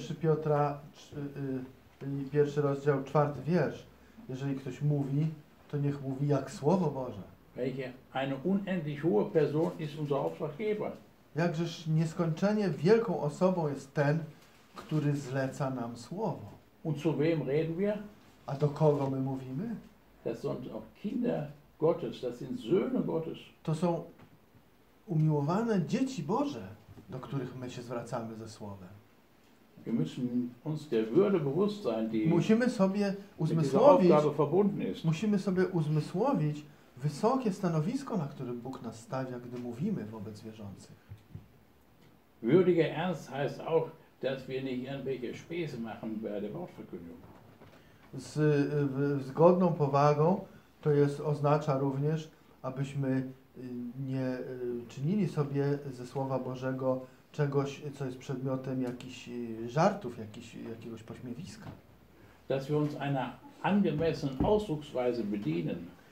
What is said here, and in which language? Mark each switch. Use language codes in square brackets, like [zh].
[pl] 1 rozdział, 4 wiersz. Jeżeli ktoś mówi, to niech mówi jak Słowo Boże. [de] Welche eine unendlich hohe Person ist unser Auftraggeber. [pl] Jakżeż nieskończenie wielką osobą jest ten, który zleca nam słowo. [de] Und zu wem reden wir? [pl] A do kogo my mówimy? [de] Das sind auch Kinder Gottes, das sind Söhne Gottes. [pl] To są umiłowane dzieci Boże, do których my się zwracamy ze słowem. [de] Wir müssen uns der Würde bewusst sein, die [pl] musimy sobie uzmysłowić w wysokie stanowisko, na którym Bóg nas stawia, gdy mówimy wobec wierzących. [de] Würdiger Ernst heißt auch, dass wir nicht irgendwelche Späße machen bei der Wortverkündung. [pl] Z godną powagą to jest oznacza również, abyśmy nie czynili sobie ze Słowa Bożego czegoś, co jest przedmiotem jakichś żartów, jakiegoś pośmiewiska. [de] Dass wir uns einer angemessenen Ausdrucksweise bedienen.